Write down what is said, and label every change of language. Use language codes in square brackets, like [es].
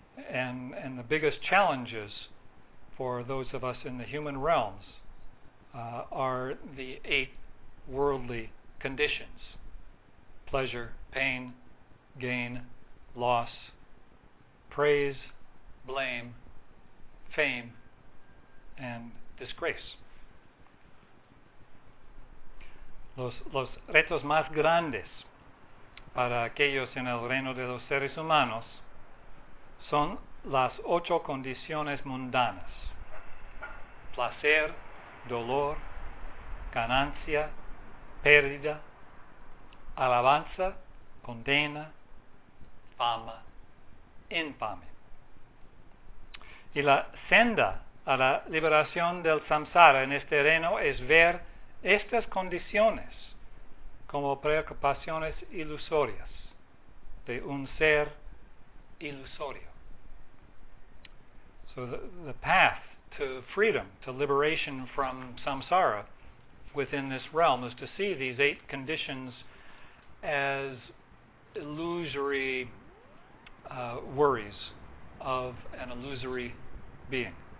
[en] And the biggest challenges for those of us in the human realms are the eight worldly conditions: pleasure, pain, gain, loss, praise, blame, fame, and disgrace. [es] Los retos más grandes para aquellos en el reino de los seres humanos son las ocho condiciones mundanas: placer, dolor, ganancia, pérdida, alabanza, condena, fama, infame. Y la senda a la liberación del samsara en este reino es ver estas condiciones como preocupaciones ilusorias de un ser ilusorio. [en] So the path to freedom, to liberation from samsara within this realm, is to see these eight conditions as illusory worries of an illusory being.